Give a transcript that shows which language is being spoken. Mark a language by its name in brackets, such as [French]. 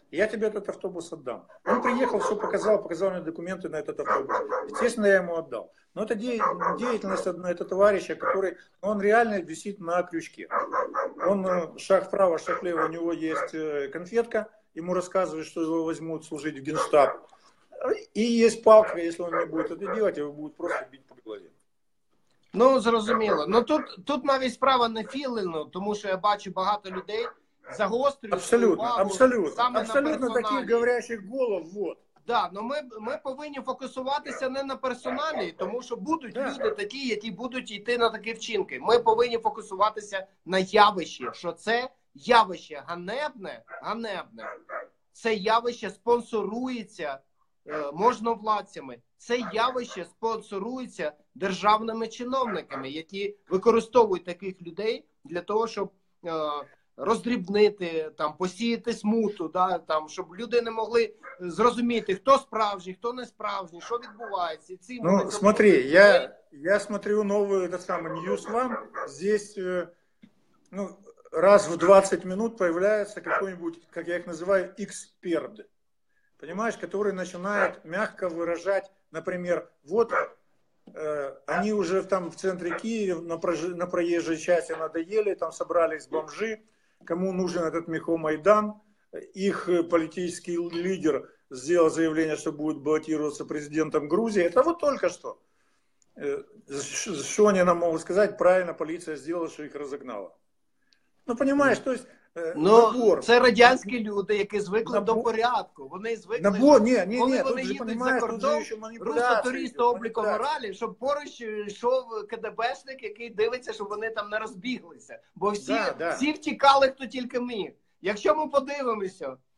[Russian] Я тебе этот автобус отдам. Он приехал, все показал, показал мне документы на этот автобус. Естественно, я ему отдал. Но это деятельность одного товарища, который, он реально висит на крючке. Он шаг вправо, шаг влево, у него есть конфетка, ему рассказывают, что его возьмут служить в Генштаб. [Ukrainian] І є палка, якщо він не буде це робити, його будуть просто бити по голові. Ну, зрозуміло. Ну, тут навіть справа не Філіну, тому що я бачу багато людей загострюють абсолютно, увагу абсолютно, саме абсолютно на персоналі. [Russian] Таких говорящих голов, вот. [Ukrainian] Да, ну ми повинні фокусуватися не на персоналі, тому що будуть люди такі, які будуть йти на такі вчинки. Ми повинні фокусуватися на явищі, що це явище ганебне. Це явище спонсорується можновладцями. Це явище спонсорується державними чиновниками, які використовують таких людей для того, щоб роздрібнити, там, посіяти смуту, да, там, щоб люди не могли зрозуміти, хто справжній, хто не справжній, що відбувається. [Russian] Ці, ну, смотри, я смотрю новий, так само, News One, тут, ну, раз в 20 минут появляється какой-нибудь, [Ukrainian] як я їх називаю, [Russian] експерт. Понимаешь, которые начинают мягко выражать, например, вот они уже там в центре Киева на проезжей части надоели, там собрались бомжи, кому нужен этот Мехомайдан, их политический лидер сделал заявление, что будет баллотироваться президентом Грузии, это вот только что. Что они нам могут сказать? Правильно полиция сделала, что их разогнала. Ну, понимаешь, то есть [Ukrainian] ну, це радянські люди, які звикли до порядку. Вони звикли, тут же понимаєш, тут же ще маніпуляції. Просто туристи обліку моралі, щоб поруч йшов КДБшник, який дивиться, щоб вони там не розбіглися. Бо всі втікали, хто тільки міг. Якщо ми подивимося,